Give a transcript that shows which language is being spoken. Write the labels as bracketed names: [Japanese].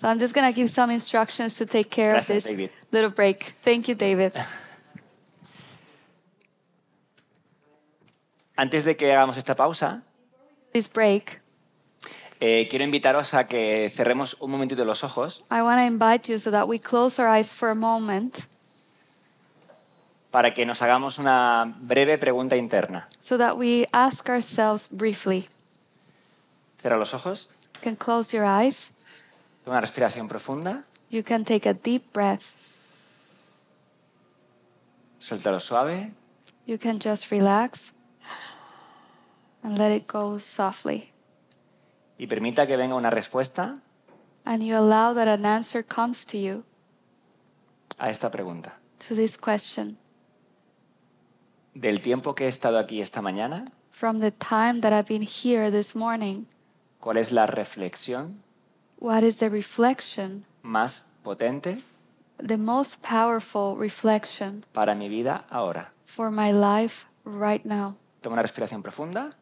[English] So I'm just gonna give some instructions to take care [Spanish] Gracias, [English] of this David. Little break. Thank you, David. [Spanish] Antes de que hagamos esta pausa, [English] this break. [Spanish] Quiero invitaros a que cerremos un momentito los ojos. [English] I want to invite you so that we close our eyes for a moment. [Spanish] Para que nos hagamos una breve pregunta interna. [English] So that we ask ourselves briefly. [Spanish] Cierra los ojos. [English] You can close your eyes. [Spanish] Toma una respiración profunda. [English] You can take a deep breath. [Spanish] Suéltalo suave. [English] You can just relax. And let it go softly. [Spanish] Y permita que venga una respuesta. [English] And you allow that an answer comes to you. [Spanish] a esta pregunta. [English] To this question. [Spanish] Del tiempo que he estado aquí esta mañana. [English] From the time that I've been here this morning. [Spanish] ¿Cuál es la reflexión? [English] What is the reflection? [Spanish] Más potente. [English] The most powerful reflection. [Spanish] Para mi vida ahora. [English] For my life right now. [Spanish] Toma una respiración profunda.